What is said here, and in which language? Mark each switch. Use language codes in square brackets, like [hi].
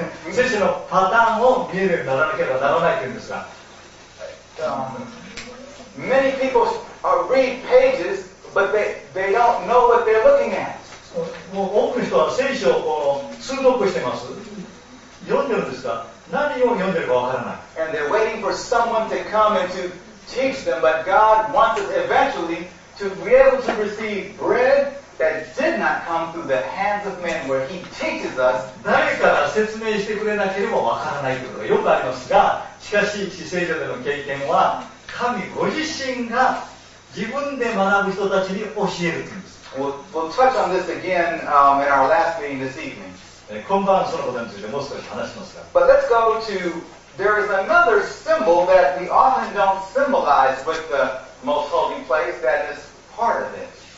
[ja] 聖書のパターンを見えるようにならなければならないというんですが、 [en] many people are read pages, but they don't know what they're looking at. [ja] もう多くの人は聖書を通読してます。読んでるんですが、何を読んでるかわからない。 [en] And they're waiting for someone to come and toteach them, but God wants us eventually to be able to receive bread that did not come through the hands of men, where He teaches us. [ja] 誰かが説明してくれなければわからないことがよくありますが、しかし死聖者での経験は神ご自身が自分で学ぶ人たちに教えるというんです。 [en] We'll touch on this again in our last meeting this evening. [ja] 今晩そのことについてもう少し話しますが。 [en] But let's go to. There is another symbol that we often don't symbolize with the most holy place that is part of this.